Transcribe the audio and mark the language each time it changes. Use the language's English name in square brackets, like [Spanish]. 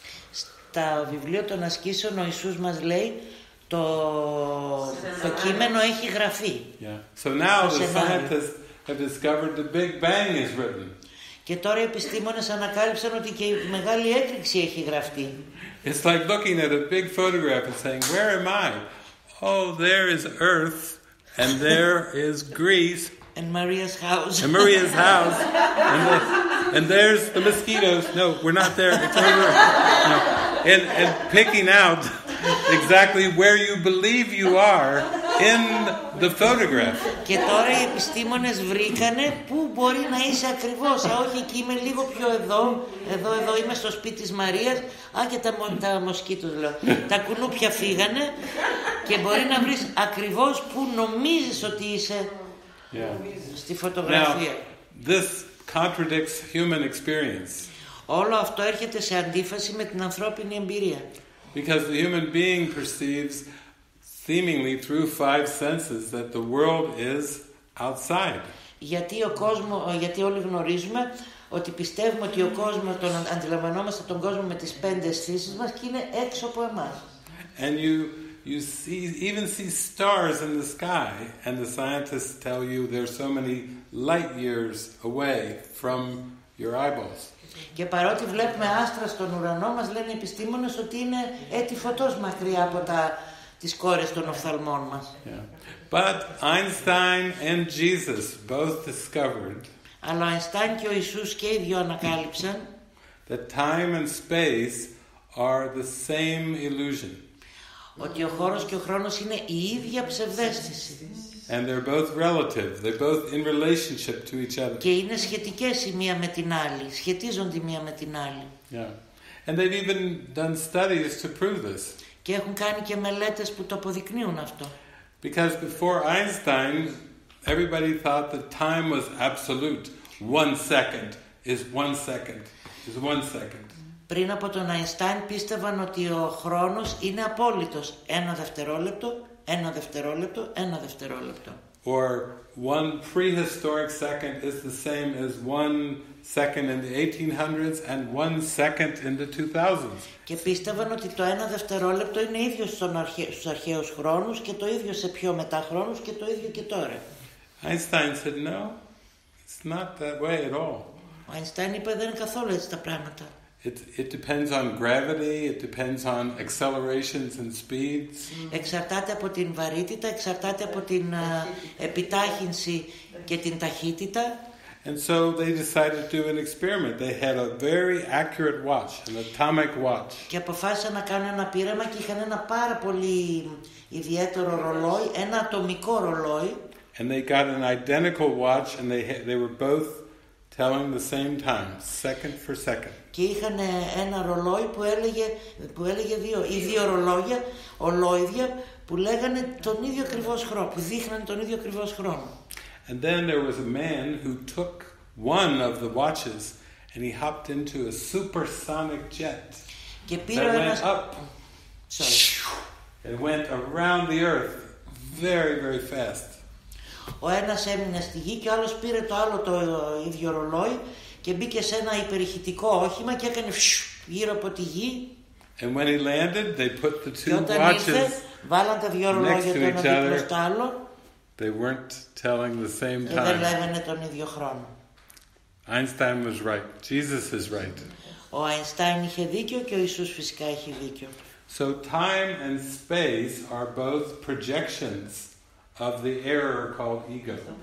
[Greek] Στα βιβλία των ασκήσεων ο Ιησούς μας λέει το κείμενο έχει γραφεί. [English] Yeah. So now the scientists have discovered the Big Bang is written. [Greek] Και τώρα οι επιστήμονες ανακάλυψαν ότι και η μεγάλη έκρηξη έχει γραφτεί. [English] It's like looking at a big photograph and saying, where am I? Oh, there is Earth and there is Greece. And Maria's house. And Maria's house. And there's the mosquitoes. No, we're not there. It's over. No. And picking out exactly where you believe you are in the photograph. [Greek] Και τώρα οι επιστήμονες βρήκανε πού μπορεί να είσαι ακριβώς. Α, όχι, εκεί είμαι λίγο πιο εδώ. Εδώ είμαι στο σπίτι της Μαρίας. Α, και τα μοσκίτους λέω. Τα κουνούπια φύγανε και μπορεί να βρεις ακριβώς πού νομίζεις ότι είσαι. [English] Yeah. [Greek] Στη φωτογραφία. [English] Now, This contradicts human experience. [Greek] Όλο αυτό έρχεται σε αντίθεση με την ανθρώπινη εμπειρία. [English] Because the human being perceives seemingly through five senses that the world is outside. [Greek] Γιατί ο κόσμος, γιατί όλοι γνωρίζουμε ότι πιστεύουμε ότι ο κόσμος, τον αντιλαμβανόμαστε τον κόσμο με τις πέντε αισθήσεις μας και είναι έξω από εμάς. [English] And you see, even see stars in the sky, and the scientists tell you they're so many light years away from your eyeballs. [Greek] Και παρότι βλέπουμε άστρα στον ουρανό, μας λένε οι επιστήμονες ότι είναι έτη φωτός μακριά από τις κόρες των οφθαλμών μας. [English] But Einstein and Jesus both discovered. [Greek] Αλλά ο Αϊνστάιν και ο Ιησούς και οι δύο ανακάλυψαν. [English] That time and space are the same illusion. [Greek] Ότι ο χώρος και ο χρόνος είναι η ίδια ψευδαίσθηση. [English] And they're both relative. They're both in relationship to each other. [Greek] Και είναι σχετικές η μία με την άλλη. Σχετίζονται η μία με την άλλη. [English] Yeah. And they've even done studies to prove this. [Greek] Και έχουν κάνει και μελέτες που το αποδεικνύουν αυτό. [English] Because before Einstein, everybody thought that time was absolute. 1 second is 1 second is 1 second. [Greek] Πριν από τον Αϊνστάιν πίστευαν ότι ο χρόνος είναι απόλυτος. Ένα δευτερόλεπτο, ένα δευτερόλεπτο, ένα δευτερόλεπτο. [English] Or one prehistoric second is the same as 1 second in the 1800s and 1 second in the 2000s. [Greek] Και πίστευαν ότι το ένα δευτερόλεπτο είναι ίδιο στους αρχαίους χρόνους και το ίδιο σε πιο μετά χρόνους και το ίδιο και τώρα. [English] Einstein said, no, it's not that way at all. [Greek] Ο Αϊνστάιν είπε, δεν είναι καθόλου έτσι τα πράγματα. [English] It depends on gravity, it depends on accelerations and speeds. [Greek] Εξαρτάται από την βαρύτητα, εξαρτάται από την επιτάχυνση και την ταχύτητα. [English] And so they decided to do an experiment. They had a very accurate watch, an atomic watch. [Greek] Και αποφάσισαν να κάνουν ένα πείραμα και είχαν ένα πάρα πολύ ιδιαίτερο ρολόι, ένα ατομικό ρολόι. [English] And they got an identical watch and they were both telling the same time, second for second. [Greek] Και είχαν ένα ρολόι που έλεγε δύο ρολόγια, ολόιδια, που λέγανε τον ίδιο ακριβώς χρόνο, που δείχνανε τον ίδιο ακριβώς χρόνο. [English] And then there was a man who took one of the watches and he hopped into a supersonic jet [Greek] και πήρε [English] that [Greek] ένας... [English] went up and went around the earth very, very fast. [Greek] Ο ένας έμεινε στη γη και ο άλλος πήρε το άλλο το ίδιο ρολόι και μπήκε σε ένα υπερηχητικό όχημα και έκανε γύρω από τη γη. [English] And when he landed, they put the two [Greek] και όταν [English] watches [Greek] ήρθε, βάλαν τα δύο ρολόγια το ένα δίπλα στο άλλο. [English] They weren't telling the same time. [Greek] Δεν λέγανε τον ίδιο χρόνο. [English] Einstein was right. Jesus is right. [Greek] Ο Αϊνστάιν είχε δίκιο και ο Ιησούς φυσικά έχει δίκιο. [English] So time and space are both projections of the error called ego.